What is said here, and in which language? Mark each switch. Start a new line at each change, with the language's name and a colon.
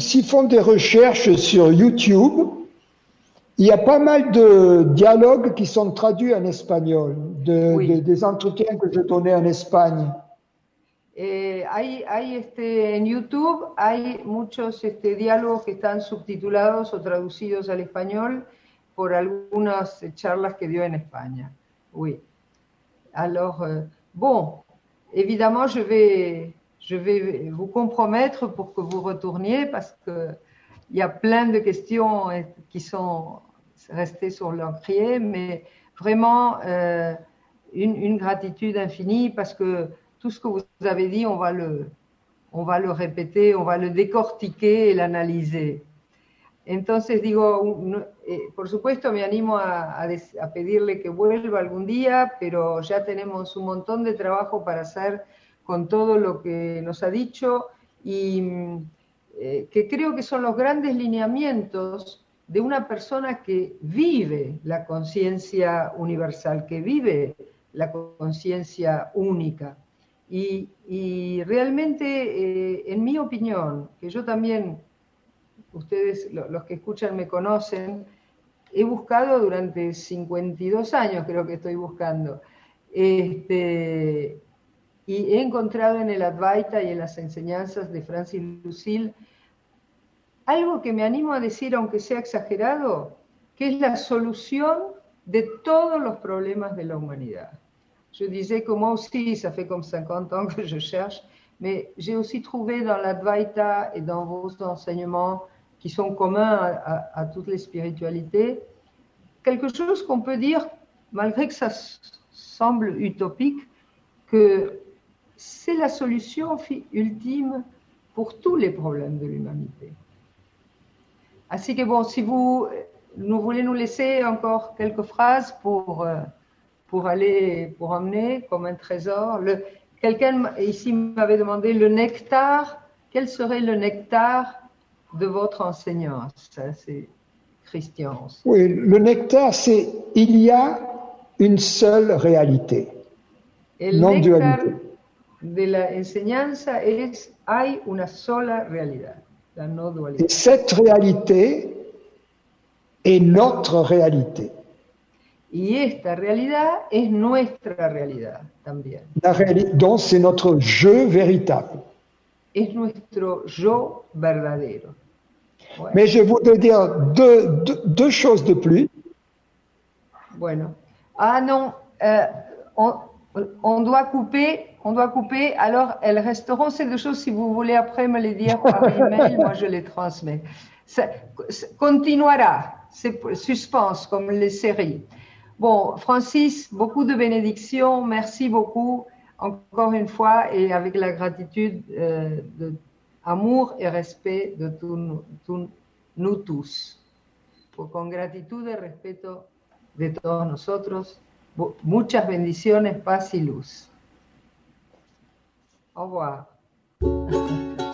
French: s'ils font des recherches sur YouTube, il y a pas mal de dialogues qui sont traduits en espagnol, Oui. des entretiens que j'ai donnés en Espagne.
Spanish: En YouTube hay muchos diálogos que están subtitulados o traducidos al español por algunas charlas que dio en España.
French: Oui. Alors, bon, évidemment, je vais vous compromettre pour que vous retourniez parce qu'il y a plein de questions qui sont restées sur l'encrier, mais vraiment une gratitude infinie parce que tout ce que vous avez dit, on va le répéter, on va le décortiquer et l'analyser.
Spanish: Entonces digo, por supuesto me animo a pedirle que vuelva algún día, pero ya tenemos un montón de trabajo para hacer con todo lo que nos ha dicho y que creo que son los grandes lineamientos de una persona que vive la conciencia universal, que vive la conciencia única. Y realmente, en mi opinión, que yo también, ustedes, los que escuchan me conocen, he buscado durante 52 años, creo que estoy buscando, y he encontrado en el Advaita y en las enseñanzas de Francis Lucille algo que me animo a decir, aunque sea exagerado, que es la solución de todos los problemas de la humanidad.
French: Je disais que moi aussi, ça fait comme 50 ans que je cherche, mais j'ai aussi trouvé dans l'Advaita et dans vos enseignements qui sont communs à toutes les spiritualités, quelque chose qu'on peut dire, malgré que ça semble utopique, que c'est la solution ultime pour tous les problèmes de l'humanité. Ainsi que bon, si vous nous voulez nous laisser encore quelques phrases pour emmener comme un trésor. Quelqu'un ici m'avait demandé le nectar. Quel serait le nectar de votre enseignant? Ça, c'est Christian. Oui, le nectar, c'est il y a une seule réalité.
Spanish: El nectar de la enseñanza es hay una sola realidad. La no dualidad.
French: Et cette réalité est notre réalité.
Spanish: Y esta realidad es nuestra realidad también.
French: La réalité, donc c'est notre je véritable.
Spanish: Es nuestro yo verdadero. Bueno.
French: Mais je voudrais dire deux choses de plus.
Spanish: Bueno.
French: Ah non, on doit couper, alors elles resteront ces deux choses, si vous voulez après me les dire par email, moi je les transmets. Ça continuera, c'est suspense comme les séries. Bon, Francis, beaucoup de bénédictions, merci beaucoup encore une fois et avec la gratitude d'amour et respect de nous tous.
Spanish: Pues con gratitud y respeto de todos nosotros, muchas bendiciones, paz y luz.
French: Au revoir.